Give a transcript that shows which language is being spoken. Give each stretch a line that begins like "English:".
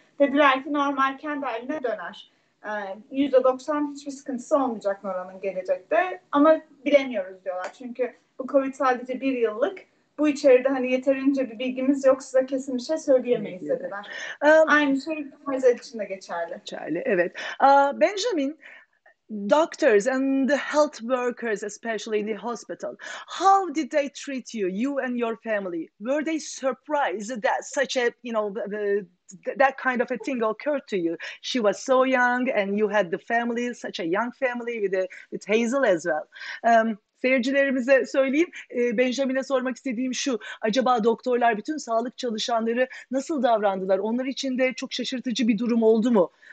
Turkish: Dediler ki normal kendi haline döner. %90 hiçbir sıkıntısı olmayacak Nora'nın gelecekte. Ama bilemiyoruz diyorlar. Çünkü bu COVID sadece bir yıllık. Bu içeride hani yeterince bir bilgimiz yok, size kesin bir şey söyleyemeyiz dediler. Aynı şey Pfizer için de geçerli. Geçerli, evet.
English: Benjamin, doctors and the health workers, especially in the hospital, how did they treat you, you and your family? Were they surprised that such a, you know, that kind of a thing occurred to you? She was so young and you had the family, such a young family with Hazel as well.
Turkish: Seyircilerimize söyleyeyim, Benjamin'e sormak istediğim şu, acaba doktorlar, bütün sağlık çalışanları nasıl davrandılar? Onlar için de çok şaşırtıcı bir durum oldu mu?